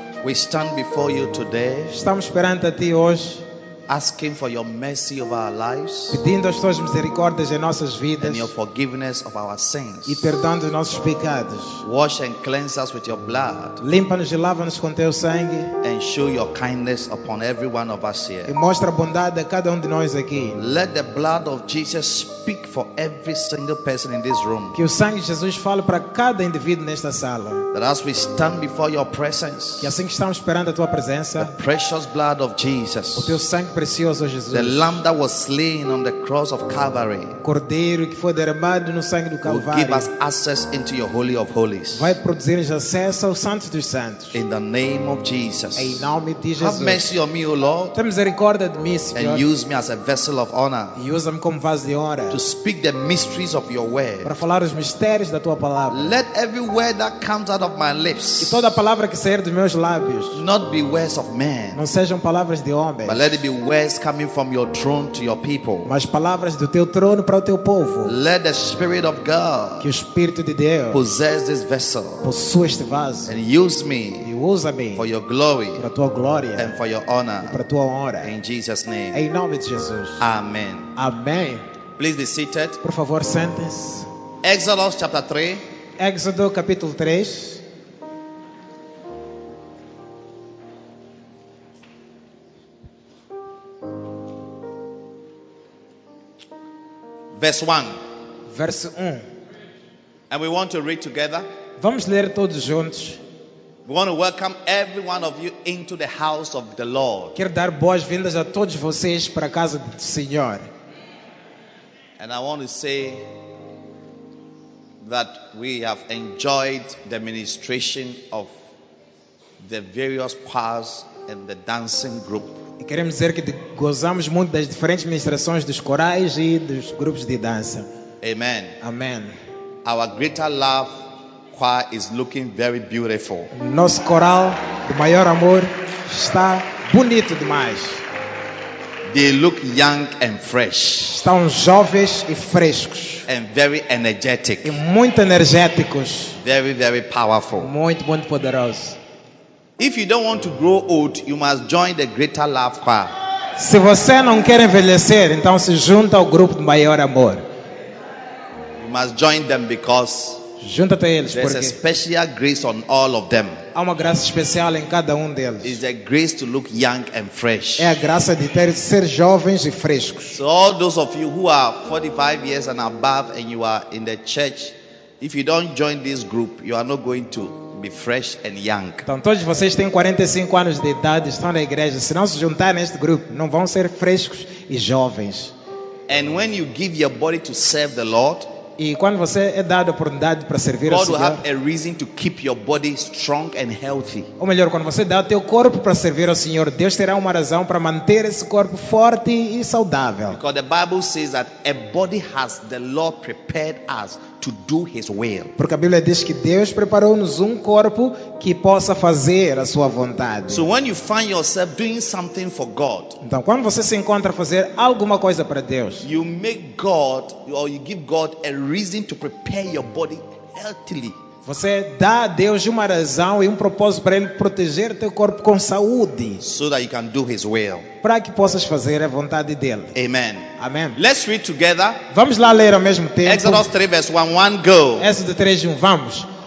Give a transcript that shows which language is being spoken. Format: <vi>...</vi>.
<en>we stand before you today,</en> <pt>estamos perante a Ti hoje,</pt> <en>asking for your mercy over our lives,</en> <pt>pedindo as Tuas misericórdias em nossas vidas,</pt> <en>and your forgiveness of our sins,</en> <pt>e perdão dos nossos pecados.</pt> <en>Wash and cleanse us with your blood,</en> <pt>limpa-nos e lava-nos com Teu sangue,</pt> <en>and show your kindness upon every one of us here,</en> <pt>e mostra a bondade a cada de nós aqui.</pt> <en>Let the blood of Jesus speak for every single person in this room,</en> <pt>que o sangue de Jesus fale para cada indivíduo nesta sala.</pt> <en>That as we stand before your presence,</en> <pt>que assim que estamos esperando a Tua presença,</pt> <en>the precious blood of Jesus,</en> <pt>o Teu sangue precioso, Jesus,</pt> <en>the lamb that was slain on the cross of Calvary,</en> <pt>cordeiro que foi derramado no sangue do Calvário,</pt> <en>will give us access into your holy of holies,</en> <pt>vai produzir acesso ao santo dos santos,</pt> <en>in the name of Jesus,</en> <pt>em nome de Jesus.</pt> <en>Have mercy on me, O Lord,</en> <pt>tem misericórdia de mim, Senhor,</pt> <en>and use me as a vessel of honor,</en> <pt>e usa-me como vaso de honra,</pt> <en>to speak the mysteries of your word,</en> <pt>para falar os mistérios da Tua palavra.</pt> <en>Let every word that comes out of my lips,</en> <pt>e toda palavra que sair dos meus lábios,</pt> <en>not be words of man,</en> <pt>não sejam palavras de homem,</pt> <en>but let it be words coming from your throne to your people.</en> <pt>Mas palavras do teu trono para o teu povo.</pt> <en>Let the Spirit of God,</en> <pt>que o Espírito de Deus,</pt> <en>possess this vessel,</en> <pt>possua este vaso,</pt> <en>and use me,</en> <pt>e usa-me,</pt> <en>for your glory,</en> <pt>para a tua glória,</pt> <en>and for your honor,</en> <pt>para a tua honra,</pt> <en>in Jesus' name,</en> <pt>em nome de Jesus.</pt> <en>Amen.</en> <pt>Amém.</pt> <en>Please be seated.</en> <pt>Por favor, sente-se.</pt> <en>Exodus chapter 3.</en> <pt>Éxodo capítulo 3.</pt> <en>Verse 1. And we want to read together.</en> <pt>Vamos ler todos juntos.</pt> <en>We want to welcome every one of you into the house of the Lord.</en> <pt>Quero dar boas-vindas a todos vocês para a casa do Senhor.</pt> <en>And I want to say that we have enjoyed the ministration of the various choirs and the dancing group.</en> <pt>E queremos dizer que gozamos muito das diferentes ministrações dos corais e dos grupos de dança.</pt> <en>Amen.</en> <pt>Amen.</pt> <en>Our greater love choir is looking very beautiful.</en> <pt>Nosso coral do maior amor está bonito demais.</pt> <en>They look young and fresh.</en> <pt>Estão jovens e frescos.</pt> <en>And very energetic.</en> <pt>E muito energéticos.</pt> <en>Very, very powerful.</en> <pt>Muito, muito poderosos.</pt> <en>If you don't want to grow old, you must join the Greater Love Choir.</en> <pt>Se você não quer envelhecer, então se junta ao grupo do maior amor.</pt> <en>You must join them because</en> <pt>junta-te a eles,</pt> <en>there's</en> <pt>porque</pt> <en>a special grace on all of them.</en> <pt>Há uma graça especial em cada deles.</pt> <en>It's the grace to look young and fresh.</en> <pt>É a graça de ter ser jovens e frescos.</pt> <en>So all those of you who are 45 years and above and you are in the church, if you don't join this group, you are not going to be fresh and young.</en> <pt>Então todos vocês têm 45 anos de idade, estão na igreja. Se não se juntar neste grupo, não vão ser frescos e jovens.</pt> <en>And when you give your body to serve the Lord,</en> <pt>e quando você é dado a oportunidade para servir</pt> <en>God</en> <pt>ao Senhor,</pt> <en>will have a reason to keep your body strong and healthy.</en> <pt>Ou melhor, quando você dá o teu corpo para servir ao Senhor, Deus terá uma razão para manter esse corpo forte e saudável.</pt> <en>Because the Bible says that a body has the Lord prepared us to do his will.</en> <pt>Porque a Bíblia diz que Deus preparou-nos corpo que possa fazer a sua vontade.</pt> <en>So when you find yourself doing something for God,</en> <pt>então quando você se encontra a fazer alguma coisa para Deus,</pt> <en>you make God or you give God a reason to prepare your body healthily.</en> <pt>Você dá a Deus uma razão e propósito para ele proteger teu corpo com saúde.</pt> <en>So that you can do his will.</en> <pt>Para que possas fazer a vontade dele.</pt> <en>Amen.</en> <pt>Amém.</pt> <en>Let's read together.</en> <pt>Vamos lá ler ao mesmo tempo.</pt> <en>Exodus 3 verse 1, 1 go.</en> <pt>Êxodo 3, 1, vamos.</pt>